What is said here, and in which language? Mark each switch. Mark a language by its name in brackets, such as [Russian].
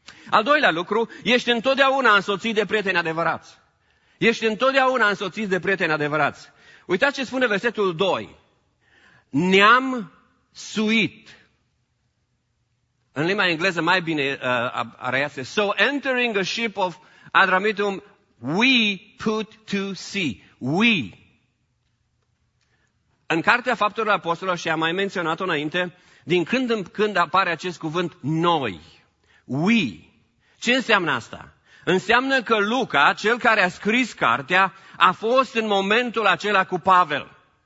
[Romanian] Al doilea lucru, ești întotdeauna însoțit de prieteni adevărați. Ești întotdeauna însoțit de prieteni adevărați. Uitați ce spune versetul 2. Ne-am suit. În limba engleză mai bine arăiază. [English] So entering a ship of Adramitum, we put to sea. We. [Romanian] În Cartea Faptelor Apostolilor, și am mai menționat-o înainte, din când în când apare acest cuvânt noi. We. Ce înseamnă asta? Înseamnă că Luca, cel care a scris cartea, a fost în momentul acela cu Pavel.